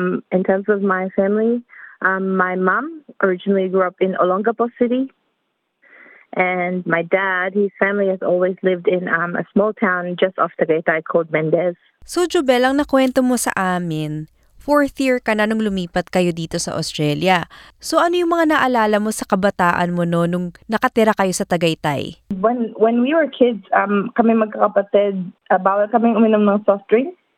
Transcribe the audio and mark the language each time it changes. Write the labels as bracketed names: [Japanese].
[English] In terms of my family, my mom originally grew up in Olongapo City. And my dad, his family has always lived in a small town just off Tagaytay called Mendez. [Filipino] So Jobel, ang nakwento mo sa amin, 4th year ka na nung lumipat kayo dito sa Australia. So ano yung mga naalala mo sa kabataan mo no nung nakatira kayo sa Tagaytay? [English] When we were kids, [Filipino] kami magkakapatid, bawal kaming uminom ng soft drink.